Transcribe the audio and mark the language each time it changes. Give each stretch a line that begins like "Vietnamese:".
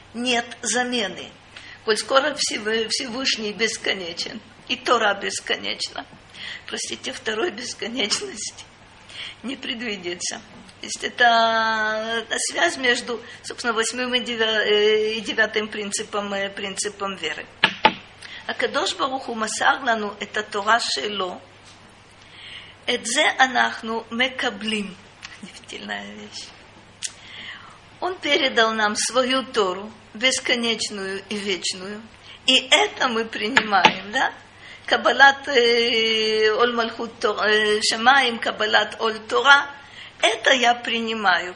Russian: Нет замены. Коль скоро Всевышний бесконечен, и Тора бесконечна. Простите, второй бесконечности не предвидится. То есть это связь между, собственно, восьмым и девятым принципом веры.
Hebrew: הקדוש ברוך הוא מסר לנו את התורה שלו, את זה אנחנו מקבלים. נפתילה יש.
Russian: Он передал нам свою Тору, бесконечную и вечную, и это мы принимаем, да? Каббалат Оль Мальхут Шамаим, Каббалат Оль Тора, это я принимаю.